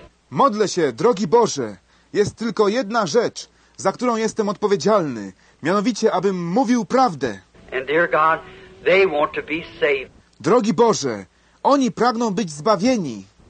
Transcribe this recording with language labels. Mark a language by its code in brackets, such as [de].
[pl] Modlę się, drogi Boże, jest tylko jedna rzecz, za którą jestem odpowiedzialny, mianowicie, abym mówił prawdę. [en] And dear God, they want to be saved. [pl] Drogi Boże, oni pragną być zbawieni.